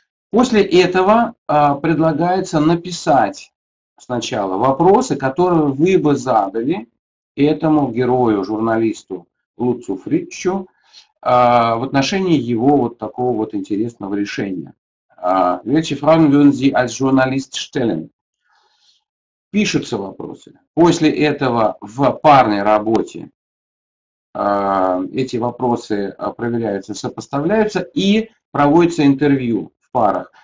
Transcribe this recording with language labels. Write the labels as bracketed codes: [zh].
[ru] После этого предлагается написать сначала вопросы, которые вы бы задали этому герою, журналисту Луцу Фритчу, в отношении его вот такого вот интересного решения. [de] Welche Fragen würden Sie als Journalist stellen? [ru] Пишутся вопросы. После этого в парной работе эти вопросы проверяются, сопоставляются и проводится интервью в парах.